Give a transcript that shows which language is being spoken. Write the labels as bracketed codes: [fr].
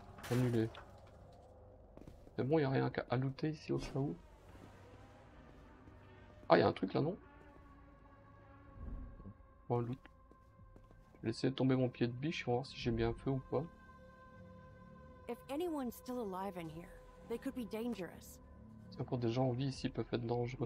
[fr] Annulé. C'est bon, il n'y a rien à looter ici au cas où. Ah, il y a un truc là, non? Bon, loot. Laisser tomber mon pied de biche, on va voir si j'ai bien fait ou pas. [en] If anyone still alive in here, they could be dangerous. [fr] Si encore des gens en vie ici, ils peuvent être dangereux.